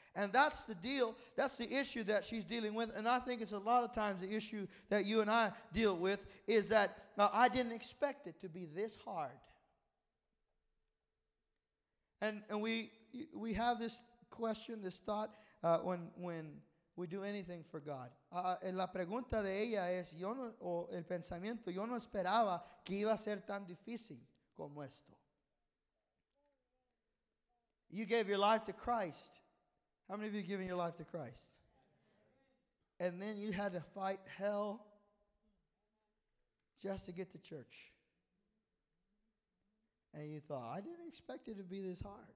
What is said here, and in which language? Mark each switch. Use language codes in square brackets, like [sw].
[en] And that's the deal. That's the issue that she's dealing with. And I think it's a lot of times the issue that you and I deal with is that I didn't expect it to be this hard. And we have this question, this thought, when we do anything for God. [es] La pregunta de ella es, yo no, o el pensamiento, yo no esperaba que iba a ser tan difícil como esto. [en] You gave your life to Christ. How many of you have given your life to Christ? And then you had to fight hell just to get to church. And you thought, I didn't expect it to be this hard.